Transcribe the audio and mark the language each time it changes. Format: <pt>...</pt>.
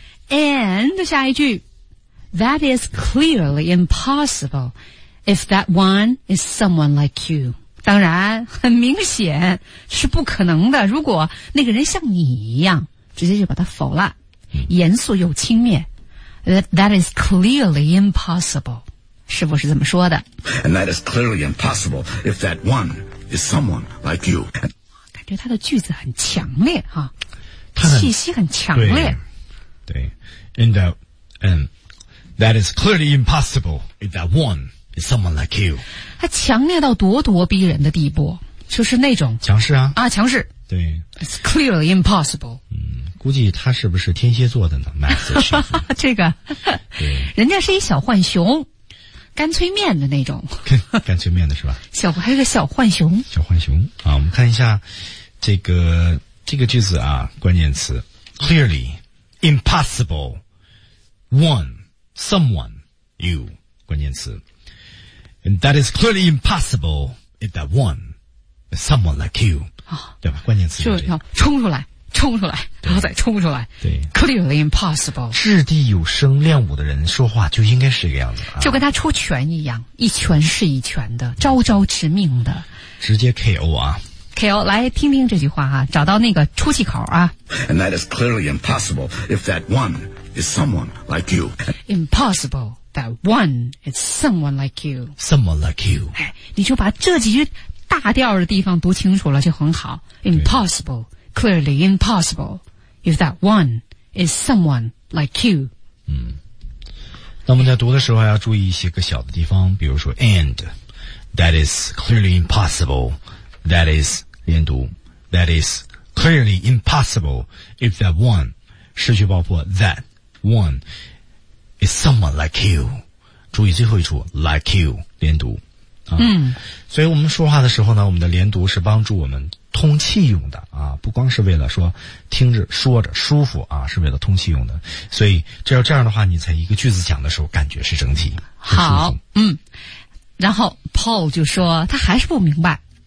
<en>And</en> <zh>下一句</zh> <en>，That is clearly impossible if that one is someone like you.</en> <zh>当然，很明显是不可能的。如果那个人像你一样，直接就把他否了，严肃又轻蔑。</zh> <en>That is clearly impossible.</en> <zh>师傅是怎么说的</zh> <en>？And that is clearly impossible if that one is someone like you.</en> <zh>感觉他的句子很强烈哈、啊，气息很强烈。</zh> <en>对 ，and that is clearly impossible if that one is someone like you.</en> <zh>他强烈到咄咄逼人的地步，就是那种强势啊啊，强势。对</zh> <en>，It's clearly impossible.</en> <zh>估计他是不是天蝎座的呢 ？Master 这个，对，人家是一小浣熊，干脆面的那种，干脆面的是吧？小还有个小浣熊，小浣熊啊！我们看一下这个句子啊，关键词</zh> <en>clearly impossible one someone you 关键词 ，and that is clearly impossible if that one is someone like you</en> <zh>啊，对吧？关键词就要冲出来。冲出来，然后再冲出来。对</zh> <en>，clearly impossible。</en> <zh>掷地有声、练武的人说话就应该是这个样子、啊，就跟他出拳一样，一拳是一拳的，招招致命的，直接 KO 啊！KO， 来听听这句话啊，找到那个出气口啊。</zh> <en>And that is clearly impossible if that one is someone like you. Impossible that one is someone like you. Someone like you。</en> <zh>哎，你就把这几句大调的地方读清楚了就很好。</zh> <en>Impossible。 Clearly impossible if that one is someone like you.</en> <zh>嗯，那我们在读的时候还要注意一些个小的地方，比如说</zh> <en>and that is clearly impossible. That is</en> <zh>连读</zh> <en>that is clearly impossible if that one</en> <zh>失去爆破</zh> <en>that one is someone like you.</en> <zh>注意最后一处 like you 连读、啊、嗯，所以我们说话的时候呢，我们的连读是帮助我们通气用的啊，不光是为了说听着说着舒服啊，是为了通气用的。所以只要这样的话，你在一个句子讲的时候感觉是整体好。嗯，然后 Paul 就说他还是不明白。</zh>